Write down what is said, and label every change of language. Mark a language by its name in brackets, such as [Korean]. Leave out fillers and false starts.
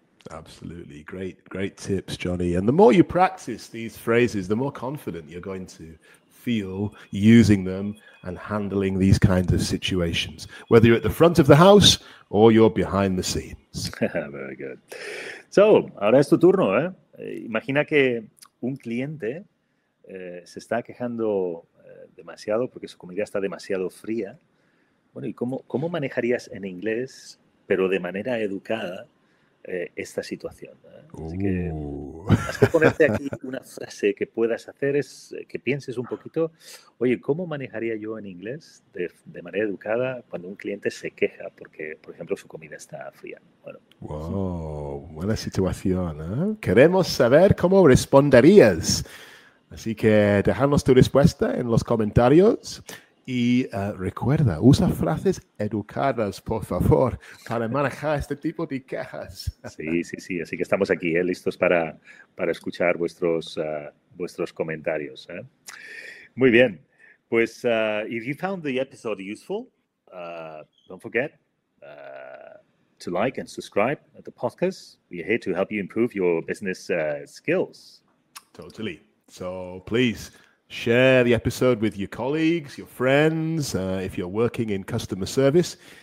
[English] Absolutely. Great, great tips, Johnny. And the more you practice these phrases, the more confident you're going to feel using them and handling these kinds of situations, whether you're at the front of the house or you're behind the scenes. Very good. So, [Spanish] ahora es tu turno. Imagina que un cliente se está quejando demasiado porque su comida está demasiado fría. Bueno, ¿y cómo manejarías en inglés, pero de manera educada, esta situación? Así que, más que ponerte aquí una frase que puedas hacer es que pienses un poquito, oye, ¿cómo manejaría yo en inglés de manera educada cuando un cliente se queja porque, por ejemplo, su comida está fría? Bueno, wow, buena situación, ¿eh? Queremos saber cómo responderías. Así que déjanos tu respuesta en los comentarios y recuerda, usa frases educadas, por favor, para manejar este tipo de quejas. Sí, sí, sí. Así que estamos aquí, listos para escuchar vuestros comentarios. Muy bien. [English] Pues, if you found the episode useful, don't forget to like and subscribe at the podcast. We are here to help you improve your business skills. Totally. So please share the episode with your colleagues, your friends, if you're working in customer service.